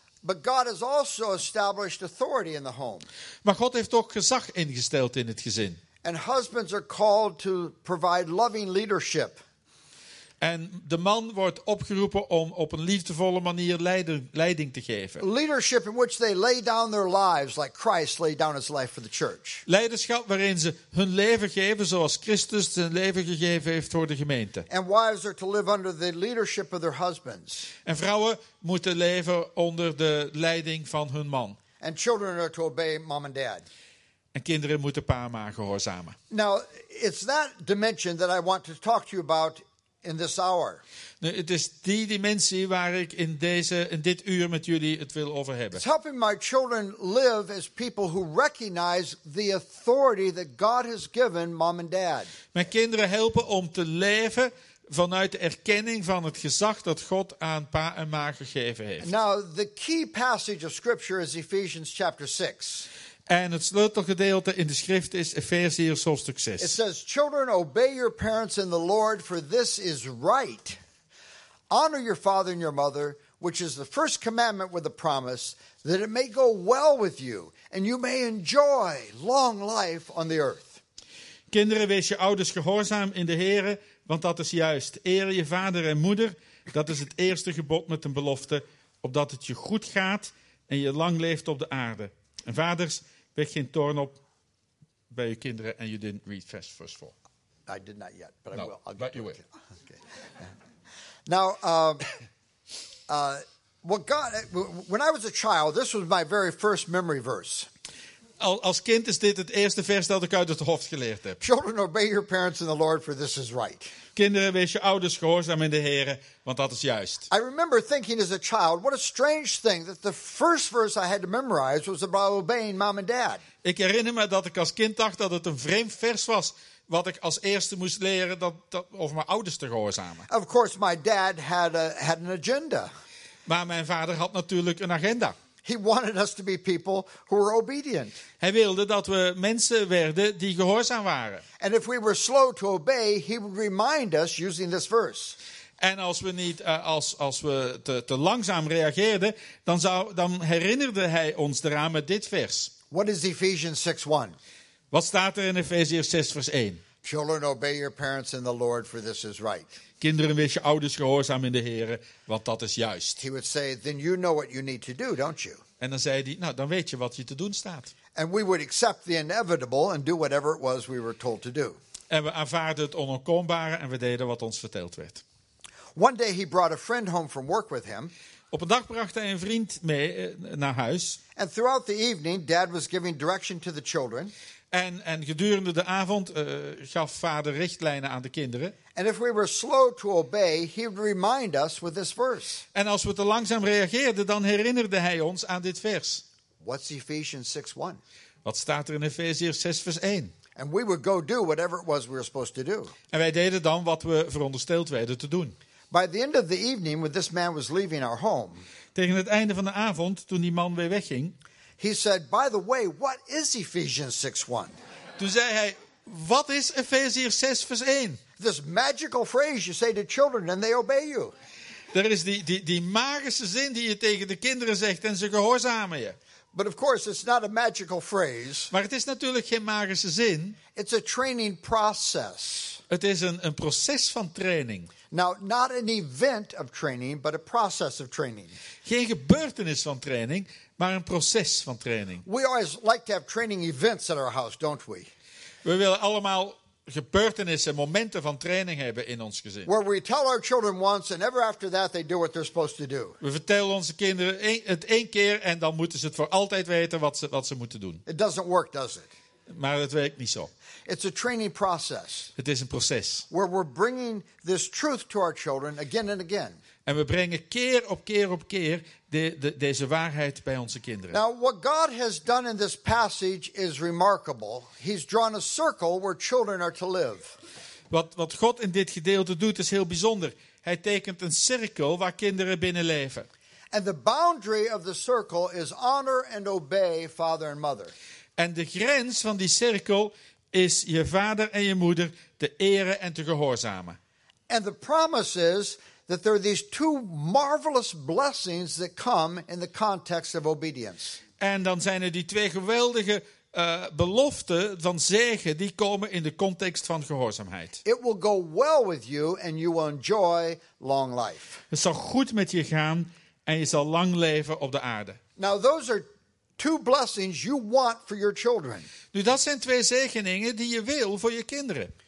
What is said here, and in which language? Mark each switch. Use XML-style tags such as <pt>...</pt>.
<en>But God has also established authority in the home.</en> <nl>Maar God heeft ook gezag ingesteld in het gezin.</nl> <en>And husbands are called to provide loving leadership.</en> <nl>En de man wordt opgeroepen om op een liefdevolle manier leiding te geven.</nl> <en>Leadership in which they lay down their lives like Christ laid down his life for the church.</en> <nl>Leiderschap waarin ze hun leven geven zoals Christus zijn leven gegeven heeft voor de gemeente.</nl> <en>And wives are to live under the leadership of their husbands.</en> <nl>En vrouwen moeten leven onder de leiding van hun man.</nl> <en>And children are to obey mom and dad.</en> <nl>En kinderen moeten pa en ma gehoorzamen.</nl> <en>Now, it's that dimension that I want to talk to you about in this hour.</en> <nl>Nu, het is die dimensie waar ik in dit uur met jullie het wil over hebben.</nl> <en>It's helping my children live as people who recognize the authority that God has given mom and dad.</en> <nl>Mijn kinderen helpen om te leven vanuit de erkenning van het gezag dat God aan pa en ma gegeven heeft.</nl> <en>Now, the key passage of scripture is Ephesians chapter 6.</en> <nl>En het sleutelgedeelte in de schrift is Efeziërs hoofdstuk 6.</nl> <en>It says, children, obey your parents in the Lord, for this is right. Honor your father and your mother, which is the first commandment with a promise, that it may go well with you, and you may enjoy long life on the earth.</en> <nl>Kinderen, wees je ouders gehoorzaam in de Heere, want dat is juist. Eer je vader en moeder, dat is het eerste gebod met een belofte, opdat het je goed gaat en je lang leeft op de aarde. En vaders, wees geen toorn op bij je kinderen.</nl> <en>And you didn't read fast verse 4. I did not yet, but no, I will. I'll get you with it. Okay. Now, what God? When I was a child, this was my very first memory verse.</en> <nl>Als kind is dit het eerste vers dat ik uit het hoofd geleerd heb.</nl> <en>Children, obey your parents in the Lord, for this is right.</en> <nl>Kinderen, wees je ouders gehoorzaam in de Heere, want dat is juist.</nl> <en>I remember thinking as a child, what a strange thing that the first verse I had to memorize was about obeying mom and dad.</en> <nl>Ik herinner me dat ik als kind dacht dat het een vreemd vers was wat ik als eerste moest leren dat over mijn ouders te gehoorzamen.</nl> <en>Of course, my dad had an agenda.</en> <nl>Maar mijn vader had natuurlijk een agenda.</nl> <en>He wanted us to be people who were obedient.</en> <nl>Hij wilde dat we mensen werden die gehoorzaam waren.</nl> <en>And if we were slow to obey, he would remind us using this verse.</en> <nl>En als we niet als we te langzaam reageerden, dan herinnerde hij ons eraan met dit vers.</nl> <en>What is Ephesians 6:1?</en> <nl>Wat staat er in Efeziërs 6 vers 1?</nl> <en>Children, obey your parents in the Lord, for this is right.</en> <nl>Kinderen, wees je ouders gehoorzaam in de Heere, want dat is juist.</nl> <en>He would say, then you know what you need to do, don't you?</en> <nl>En dan zei hij, nou, dan weet je wat je te doen staat.</nl> <en>And we would accept the inevitable and do whatever it was we were told to do.</en> <nl>En we aanvaarden het onontkoombare en we deden wat ons verteld werd.</nl> <en>One day he brought a friend home from work with him.</en> <nl>Op een dag bracht hij een vriend mee naar huis.</nl> <en>And throughout the evening, dad was giving direction to the children.</en> <nl>En gedurende de avond gaf vader richtlijnen aan de kinderen.</nl> <en>And if we were slow to obey, he would remind us with this verse.</en> <nl>En als we te langzaam reageerden, dan herinnerde hij ons aan dit vers.</nl> <en>What's Ephesians 6:1?</en> <nl>Wat staat er in Efeziërs 6 vers 1?</nl> <en>And we would go do whatever it was we were supposed to do.</en> <nl>En wij deden dan wat we verondersteld werden te doen.</nl> <en>By the end of the evening, when this man was leaving our home.</en> <nl>Tegen het einde van de avond, toen die man weer wegging.</nl> <en>He said, by the way, what is Ephesians 6:1?</en> <nl>Toen zei hij, wat is Efeziërs 6 vers 1?</nl> <en>This magical phrase you say to children and they obey you.</en> <nl>Er is die magische zin die je tegen de kinderen zegt en ze gehoorzamen je.</nl> <en>But of course, it's not a magical phrase.</en> <nl>Maar het is natuurlijk geen magische zin.</nl> <en>It's a training process.</en> <nl>Het is een proces van training.</nl> <en>Now, not an event of training, but a process of training.</en> <nl>Geen gebeurtenis van training, maar een proces van training.</nl> <en>We always like to have training events at our house, don't we?</en> <nl>We willen allemaal gebeurtenissen, momenten van training hebben in ons gezin.</nl> <en>Where we tell our children once and ever after that they do what they're supposed to do.</en> <nl>We vertellen onze kinderen het één keer en dan moeten ze het voor altijd weten wat ze moeten doen.</nl> <en>It doesn't work, does it?</en> <nl>Maar het werkt niet zo.</nl> <en>It's a training process.</en> <nl>Het is een proces.</nl> <en>Where we're bringing this truth to our children again and again.</en> <nl>En we brengen keer op keer op keer deze waarheid bij onze kinderen.</nl> <en>Now what God has done in this passage is remarkable. He's drawn a circle where children are to live.</en> <nl>Wat God in dit gedeelte doet is heel bijzonder. Hij tekent een cirkel waar kinderen binnen leven.</nl> <en>And the boundary of the circle is honor and obey father and mother.</en> <nl>En de grens van die cirkel is je vader en je moeder te eren en te gehoorzamen.</nl> <en>And the promise is that there are these two marvelous blessings that come in the context of obedience.</en> <nl>En dan zijn er die twee geweldige beloften van zegen die komen in de context van gehoorzaamheid.</nl> <en>It will go well with you and you will enjoy long life.</en> <nl>Het zal goed met je gaan en je zal lang leven op de aarde.</nl> <en>Now those are two blessings you want for your children.</en> <nl>Nu dat zijn twee zegeningen die je wil voor je kinderen.</nl>